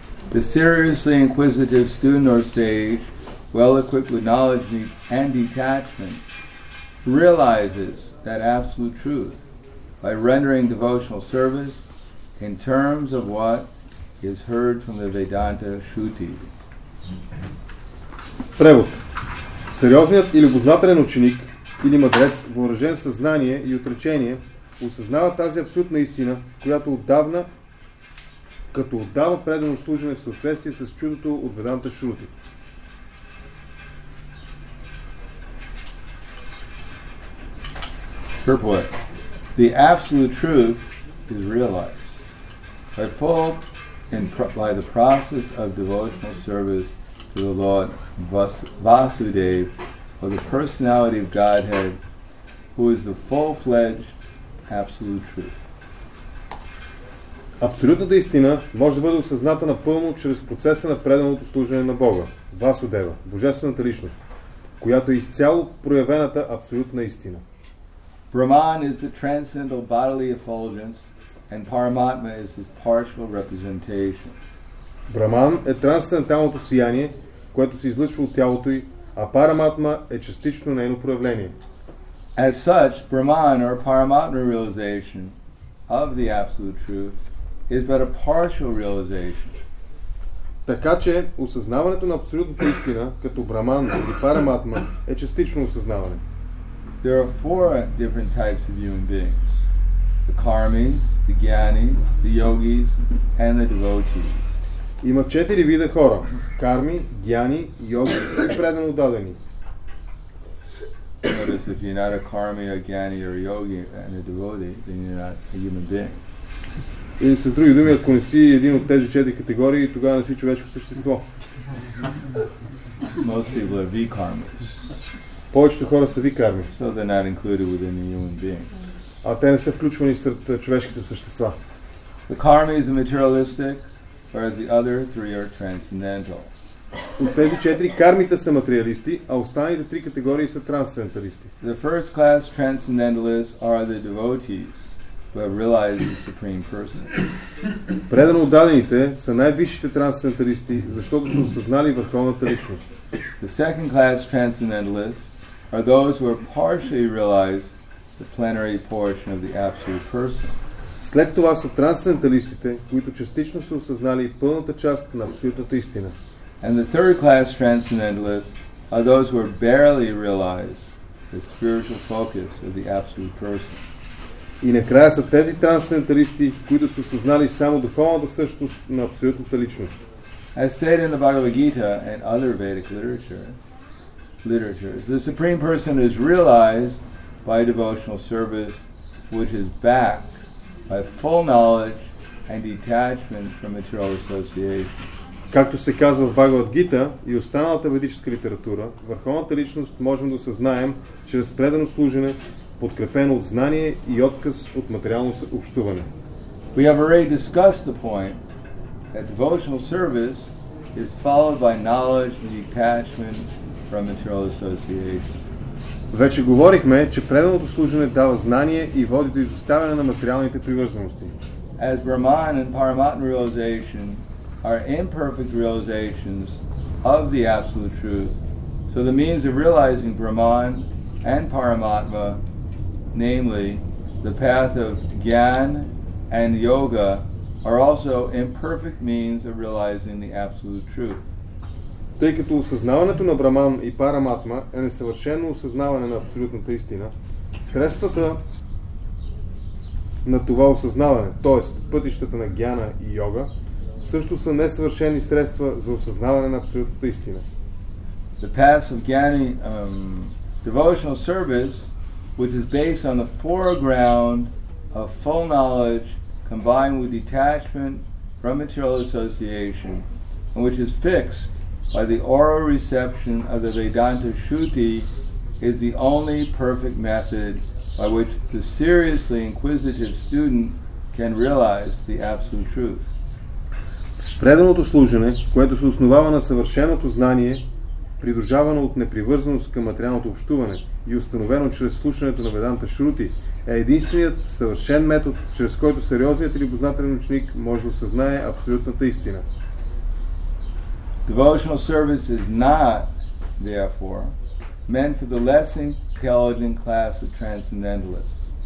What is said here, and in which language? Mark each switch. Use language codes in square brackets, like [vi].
[en] The seriously inquisitive student or sage, well equipped with knowledge and detachment, realizes that absolute truth by rendering devotional service in terms of what is heard from the Vedanta Shruti. [bg] Превод. Сериозният и любознателен ученик или мъдрец, въоръжен със знание и отречение, осъзнава тази абсолютна истина, която отдавна, като отдава предано служене в съответствие с чудото от Веданта Шрути. [en] Purport. The absolute truth is realized by full and by the process of devotional service to the Lord Vasudev, or the personality of Godhead, who is the full-fledged absolute truth. [bg] Абсолютната истина може да бъде осъзната напълно чрез процеса на преданото служение на Бога, Васудева, Божествената личност, която е изцяло проявената абсолютна истина. [en] Brahman is the transcendental bodily effulgence and Paramatma is his partial representation. [bg] Brahman е трансценденталното сияние, което се излъчва от тялото й, а Paramatma е частично нейно проявление. [en] As such, Brahman or Paramatma realization of the absolute truth is but a partial realization. [bg] Така че осъзнаването на абсолютната истина като Brahman или Paramatma е частично осъзнаване. [en] There are four different types of human beings: the karmis, the gyanis, the yogis, and the devotees. [bg] Има четири вида хора: карми, гяни, йоги и предано отдадени. [en] Notice if you're not a karmi, a gyani, or a yogi, and a devotee, then you're not a human being. [bg] И с други думи, ако не си един от тези четири категории, тогава не си човешко същество. [en] Most people are vikarmis. [bg] Повечето хора са викарми. [en] So they're not included within the human being. [bg] А те не са включвани сред човешките същества. [en] The karma is materialistic, whereas the other three are transcendental. [bg] От тези четири кармите са материалисти, а останалите три категории са трансценденталисти. [en] The first class transcendentalists are the devotees who have realized the supreme person. [bg] Предано отдадените са най-висшите трансценденталисти, защото са осъзнали върховната личност. [en] The second class transcendentalists are those who have partially realized the plenary portion of the absolute person. [bg] След това са трансценденталистите, които частично са осъзнали пълната част на абсолютната истина. [en] And the third class transcendentalists are those who have barely realized the spiritual focus of the absolute person. [bg] И накрая са тези трансценденталисти, които са осъзнали само духовната същност на абсолютната личност. [en] As stated in the Bhagavad Gita and other Vedic literature, the Supreme Person is realized by devotional service, which is backed by full knowledge and detachment from material association. [bg] Както се казва в Бхагавад Гита и останалата ведическа литература, върховната личност можем да осъзнаем чрез предано служене, подкрепено от знание и отказ от материално общуване. [en] We have already discussed the point that devotional service is followed by knowledge and detachment from material association. [bg] Вече говорихме, че преданото служене дава знание и води до изоставяне на материалните привързаности. [en] As Brahman and Paramatma realization are imperfect realizations of the absolute truth, so the means of realizing Brahman and Paramatma, namely the path of Gyan and Yoga, are also imperfect means of realizing the absolute truth. [bg] Тъй като осъзнаването на Браман и Параматма е несъвършено осъзнаване на абсолютната истина, средствата на това осъзнаване, т.е. пътищата на гяна и йога, също са несъвършени средства за осъзнаване на абсолютната истина. [en] The path of gyani, devotional service, which is based on the foreground of full knowledge combined with detachment from material association, and which is fixed by the oral reception of the Vedanta Shruti, is the only perfect method by which the seriously inquisitive student can realize the absolute truth. [bg] Преданото служене, което се основава на съвършеното знание, придружавано от непривързаност към материалното общуване и установено чрез слушането на Vedanta Shruti, е единственият съвършен метод, чрез който сериозният или любознателен ученик може да осъзнае абсолютната истина. [en] Devotional service is not, therefore, meant for the less intelligent class of transcendentalists.